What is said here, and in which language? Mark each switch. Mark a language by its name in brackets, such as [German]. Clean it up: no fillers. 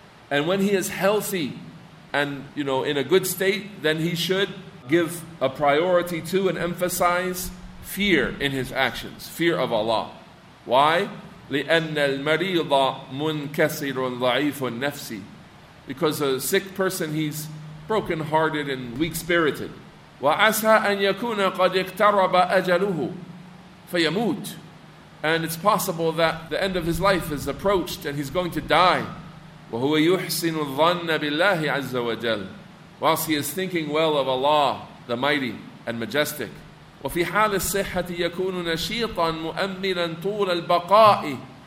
[English] And when he is healthy and, you know, in a good state, then he should give a priority to and emphasize fear in his actions, fear of Allah. Why? [Arabic] لِأَنَّ الْمَرِيضَ مُنْكَسِرٌ ضَعِيفٌ نَفْسِ. [English] Because a sick person, he's broken hearted and weak spirited. [Arabic] وَعَسَى أَنْ يَكُونَ قَدْ اِقْتَرَبَ أَجَلُهُ فَيَمُوتُ. [English] And it's possible that the end of his life is approached and he's going to die. [Arabic] وَهُوَ يُحْسِنُ الظَّنَّ بِاللَّهِ عَزَّ وَجَلُ. [English] Whilst he is thinking well of Allah, the Mighty and Majestic. [Arabic] وَفِي حَالِ الصِّحَّةِ يَكُونُ نَشِيطًا مُؤَمِّنًا طُولَ الْبَقَاءِ.